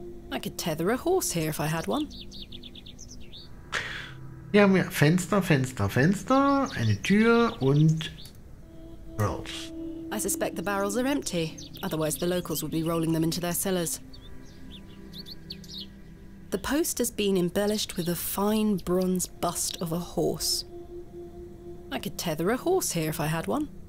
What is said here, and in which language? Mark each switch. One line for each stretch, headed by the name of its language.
English: I could tether a horse here if I had one.
German: Wir haben ja Fenster, Fenster, Fenster, eine Tür und barrels.
English: I suspect the barrels are empty. Otherwise the locals would be rolling them into their cellars. The post has been embellished with a fine bronze bust of a horse. I could tether a horse here if I had one.